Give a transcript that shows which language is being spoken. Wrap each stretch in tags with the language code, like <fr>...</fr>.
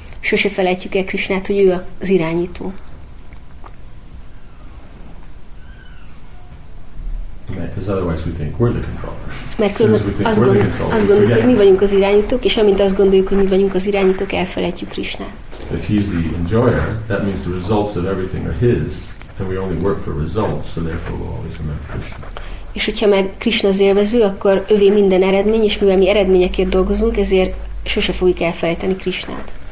<hu>Sose felejtjük el Krishnát, hogy ő az irányító.</hu> <en>Because otherwise we think we're the controller.</en> <hu>Mert azt gondoljuk, hogy mi vagyunk az irányítók, és amint azt gondoljuk, hogy mi vagyunk az irányítók, elfelejtjük Krishnát.</hu> <en>If he's the enjoyer, that means the results of everything are his, and we only work for results, so therefore we'll always remember Krishna.</en> <hu>És hogyha meg Krishna az élvező, akkor övé minden eredmény, és mivel mi eredményekért dolgozunk, ezért sose fogjuk elfelejteni Krishnát.</hu>